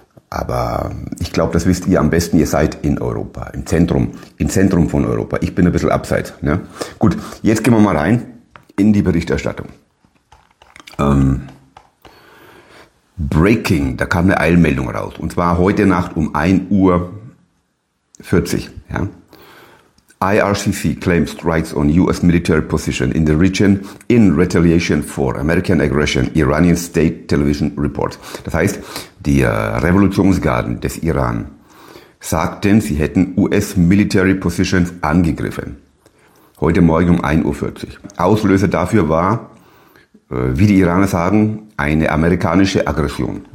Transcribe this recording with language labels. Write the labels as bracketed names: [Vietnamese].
[German] Aber ich glaube, das wisst ihr am besten, ihr seid in Europa, im Zentrum von Europa. Ich bin ein bisschen abseits. Ne? Gut, jetzt gehen wir mal rein in die Berichterstattung. Breaking, da kam eine Eilmeldung raus. Und zwar heute Nacht um 1.40 Uhr. Ja? [English] IRCC claims strikes on US military position in the region in retaliation for American aggression, Iranian state television reports. [German] Das heißt, die Revolutionsgarden des Iran sagten, sie hätten [English] US military positions [German] angegriffen. Heute Morgen um 1.40 Uhr. Auslöser dafür war wie die Iraner sagen, eine amerikanische Aggression.